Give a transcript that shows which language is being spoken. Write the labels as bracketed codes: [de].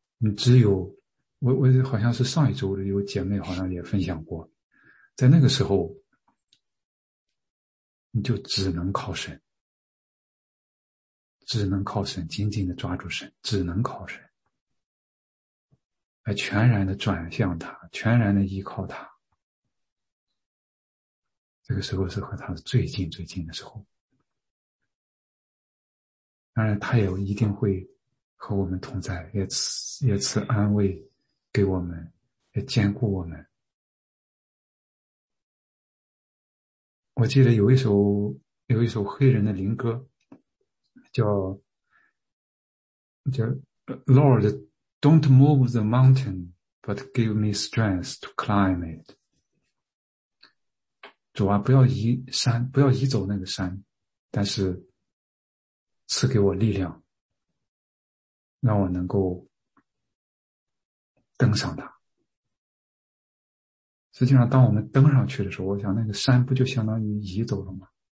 [zh] 你只有我好像是上一周的有姐妹好像也分享过，在那个时候你就只能靠神，紧紧的抓住神，只能靠神，来全然的转向他，全然的依靠他，这个时候是和他最近的时候。当然他也一定会和我们同在，也赐安慰给我们，也坚固我们。我记得有一首黑人的灵歌叫 [en] Lord, don't move the mountain, but give me strength to climb it. [zh] 主啊，不要移走那个山，但是赐给我力量，让我能够登上它。实际上当我们登上去的时候，我想那个山不就相当于移走了吗？